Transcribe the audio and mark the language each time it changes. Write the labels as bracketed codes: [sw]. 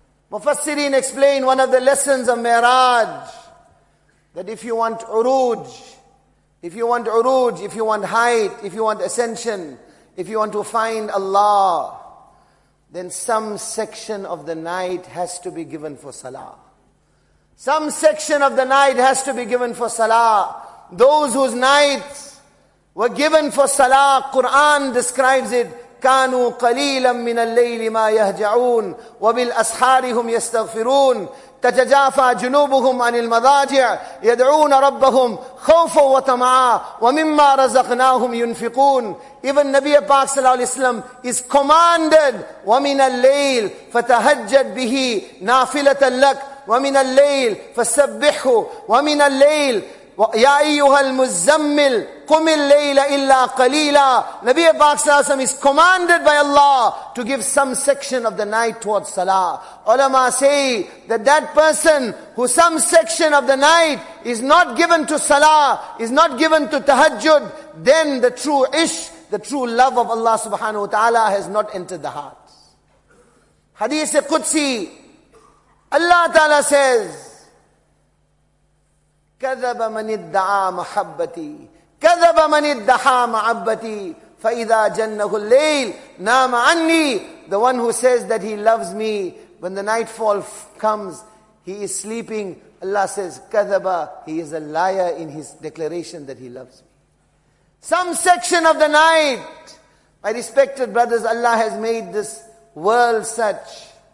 [en] Mufassirin explained one of the lessons of Mi'raj, that if you want uruj, if you want uruj, if you want height, if you want ascension, if you want to find Allah, then some section of the night has to be given for salah. Some section of the night has to be given for salah. Those whose nights were given for salah, Quran describes it, [ar] كانوا قليلا من الليل ما يهجعون وبالأسحار هم يستغفرون تتجافى جنوبهم عن المضاجع يدعون ربهم خوفا وطمعا ومما رزقناهم ينفقون. [en] Even Nabi Pak Sallallahu Alaihi Wasallam is commanded, [ar] ومن الليل فتهجد به نافلة لك ومن الليل فسبحه ومن الليل يَا أَيُّهَا الْمُزَّمِّلِ قُمِ اللَّيْلَ إِلَّا قَلِيلًا. [en] Nabi Pak Sallallahu Alaihi Wasallam is commanded by Allah to give some section of the night towards salah. Ulama say that that person who some section of the night is not given to salah, is not given to tahajjud, then the true ish, the true love of Allah subhanahu wa ta'ala has not entered the heart. Hadith Qudsi, Allah Ta'ala says, [ar] كذب من ادعى محبتي كذب من ادعى معبتي فإذا جنه الليل نام عني. [en] The one who says that he loves me, when the nightfall comes, he is sleeping. Allah says, كذب, he is a liar in his declaration that he loves me. Some section of the night, my respected brothers, Allah has made this world such.